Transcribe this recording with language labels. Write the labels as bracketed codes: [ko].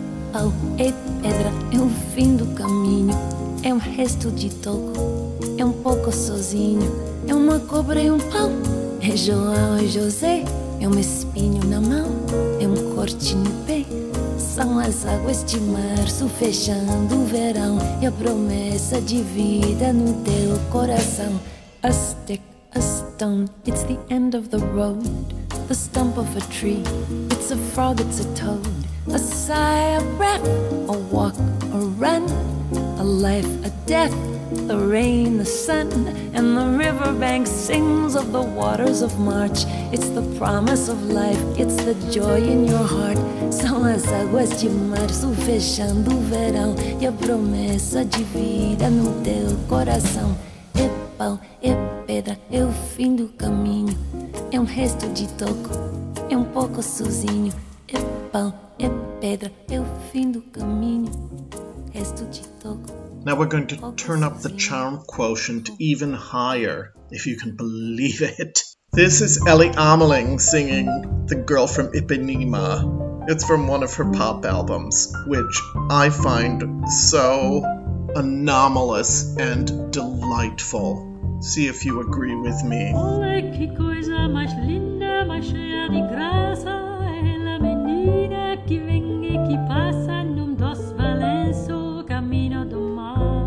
[pt] Pau, é pedra, é o fim do caminho. É um resto de toco, é pouco sozinho. É uma cobra e pão, é João e José. É espinho na mão, é corte no pé. São as águas de março fechando o verão. E a promessa de vida no teu coração. [en] A stick, a stone, it's the end of the road. The stump of a tree, it's a frog, it's a toad. A sigh, a breath, a walk, a run. A life, a death, the rain, the sun. And the riverbank sings of the waters of March. It's the promise of life, it's the joy in your heart. [pt] São as águas de março fechando o verão. E a promessa de vida no teu coração. É pau, é pedra, é o fim do caminho. É resto de toco, é pouco sozinho. É pão, é pedra, é o fim do caminho. Resto de toco. [en] Now we're going to turn up the charm quotient even higher, if you can believe it. This is Ellie Ameling singing The Girl from Ipanema. It's from one of her pop albums, which I find so anomalous and delightful. See if you agree with me. [pt] Olha que coisa mais linda, mais cheia de graça. Ela menina que vem e que passa num dos balanços, caminho do mar.